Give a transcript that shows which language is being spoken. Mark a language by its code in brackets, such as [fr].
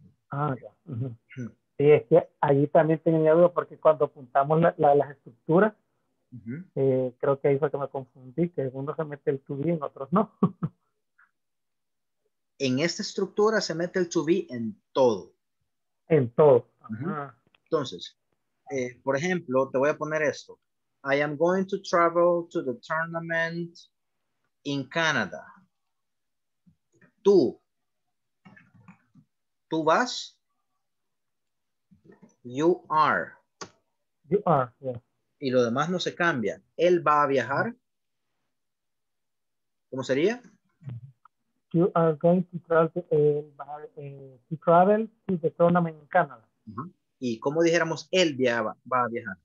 [es] Ah, ya. Sí, es que ahí también tenía duda, porque cuando apuntamos las estructuras, uh-huh, creo que ahí fue que me confundí, que uno se mete el to be en otros no. En esta estructura se mete el to be en todo. En todo. Uh-huh. Entonces, por ejemplo, te voy a poner esto. [en] I am going to travel to the tournament in Canada. [es] Tú vas. [en] You are. You are, yeah. [es] Y lo demás no se cambia. Él va a viajar. ¿Cómo sería? [en] You are going to travel, to travel to the tournament in Canada. Uh-huh. [es] Y como dijéramos, él viaja, va a viajar.